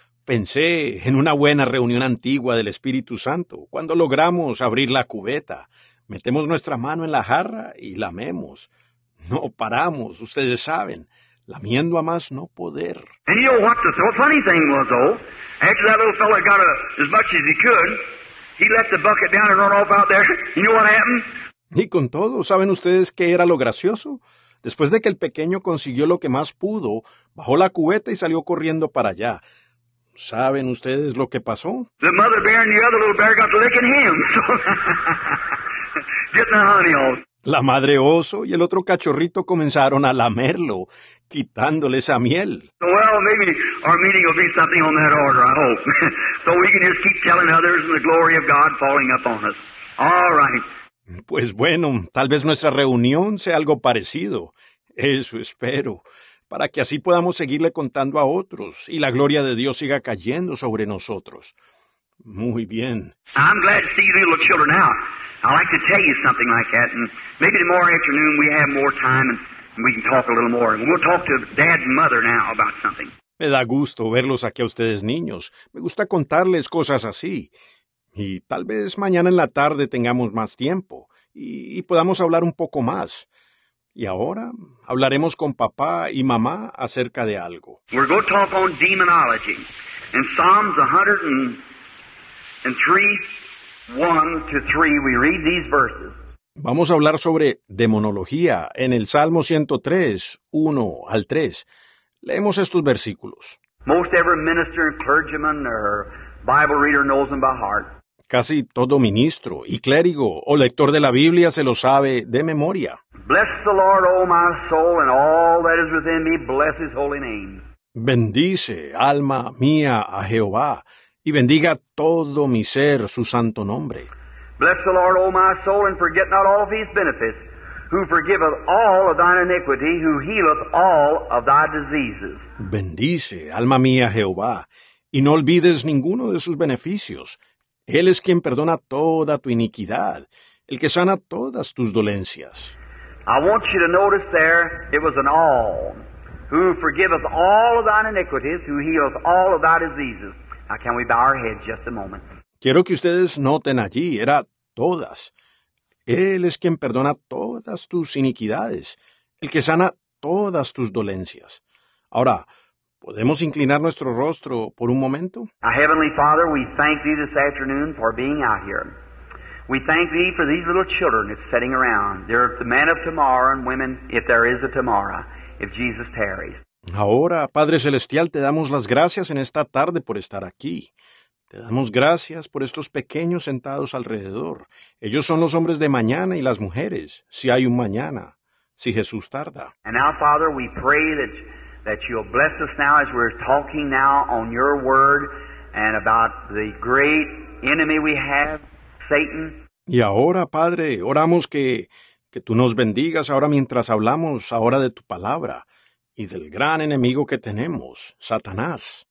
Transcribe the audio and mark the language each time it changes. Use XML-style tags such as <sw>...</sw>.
<es>Pensé en una buena reunión antigua del Espíritu Santo, cuando logramos abrir la cubeta. Metemos nuestra mano en la jarra y lamemos. No paramos, ustedes saben, lamiendo a más no poder.</es> <en>And you know what the funny thing was, though? After that little fella got as much as he could, he let the bucket down and run off out there. You know what happened?</en> <es>Y con todo, ¿saben ustedes qué era lo gracioso? Después de que el pequeño consiguió lo que más pudo, bajó la cubeta y salió corriendo para allá. ¿Saben ustedes lo que pasó?</es> <en>The mother bear and the other little bear got licking him. So, getting the honey off.</en> <es>La madre oso y el otro cachorrito comenzaron a lamerlo, quitándole esa miel.</es> <en>Well, maybe our meeting will be something on that order, I hope. So we can just keep telling others and the glory of God falling upon us. All right.</en> <es>Pues bueno, tal vez nuestra reunión sea algo parecido. Eso espero. Para que así podamos seguirle contando a otros y la gloria de Dios siga cayendo sobre nosotros. Muy bien.</es> <en>I'm glad to see you little children out. I like to tell you something like that, and maybe tomorrow afternoon we have more time and we can talk a little more. We'll talk to Dad and Mother now about something.</en> <es>Me da gusto verlos aquí a ustedes niños. Me gusta contarles cosas así. Y tal vez mañana en la tarde tengamos más tiempo y podamos hablar un poco más. Y ahora hablaremos con papá y mamá acerca de algo.</es> <en>We're going to talk on demonology in Psalms 103:1-3, we read these verses.</en> <es>Vamos a hablar sobre demonología en el Salmo 103:1-3. Leemos estos versículos.</es> <en>Most every minister and clergyman or Bible reader knows them by heart.</en> <es>Casi todo ministro y clérigo o lector de la Biblia se lo sabe de memoria.</es> <en>Bless the Lord, O my soul, and all that is within me, bless his holy name.</en> <es>Bendice, alma mía, a Jehová. Y bendiga todo mi ser su santo nombre.</es> <en>Bless the Lord, O my soul, and forget not all of his benefits, who forgiveth all of thine iniquity, who healeth all of thy diseases.</en> <es>Bendice, alma mía, Jehová, y no olvides ninguno de sus beneficios. Él es quien perdona toda tu iniquidad, el que sana todas tus dolencias.</es> <en>I want you to notice there, it was an all, who forgiveth all of thine iniquities, who healeth all of thy diseases. Now, can we bow our heads just a moment?</en> <es>Quiero que ustedes noten allí, era todas. Él es quien perdona todas tus iniquidades, el que sana todas tus dolencias. Ahora, ¿podemos inclinar nuestro rostro por un momento?</es> <en>Our Heavenly Father, we thank thee this afternoon for being out here. We thank thee for these little children that's sitting around. They're the man of tomorrow and women, if there is a tomorrow, if Jesus tarries.</en> <es>Ahora, Padre Celestial, te damos las gracias en esta tarde por estar aquí. Te damos gracias por estos pequeños sentados alrededor. Ellos son los hombres de mañana y las mujeres, si hay un mañana, si Jesús tarda.</es> <en>And now, Father, we pray that you'll bless us now as we're talking now on your word and about the great enemy we have, Satan.</en> <es>Y ahora, Padre, oramos que tú nos bendigas ahora mientras hablamos ahora de tu palabra. Y del gran enemigo que tenemos, Satanás.</es>